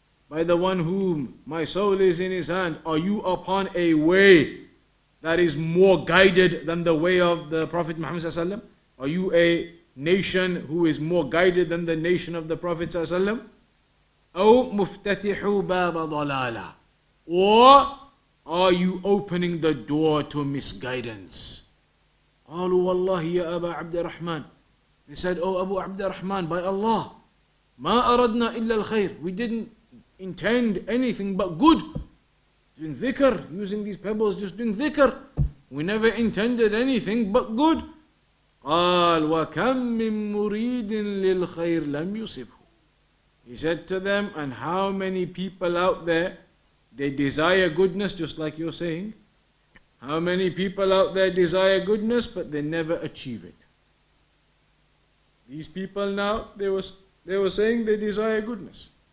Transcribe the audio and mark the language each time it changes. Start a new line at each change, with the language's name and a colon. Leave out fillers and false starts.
English: By the one whom my soul is in his hand, are you upon a way that is more guided than the way of the Prophet Muhammad sallallahu alaihi wasallam? Are you a nation who is more guided than the nation of the Prophet sallallahu alaihi wasallam? Or are you opening the door to misguidance?
Arabic: قالوا والله يا أبا عبد الرحمن.
English: They said, oh Abu Abd al-Rahman, by Allah,
Arabic: ما أردنا إلا الخير.
English: We didn't intend anything but good. Doing dhikr, using these pebbles, just doing dhikr. We never intended anything but good.
Arabic: قال وكم من مريد للخير لم يصبه.
English: He said to them, and how many people out there, they desire goodness, just like you're saying. How many people out there desire goodness, but they never achieve it. These people now, they were saying they desire goodness.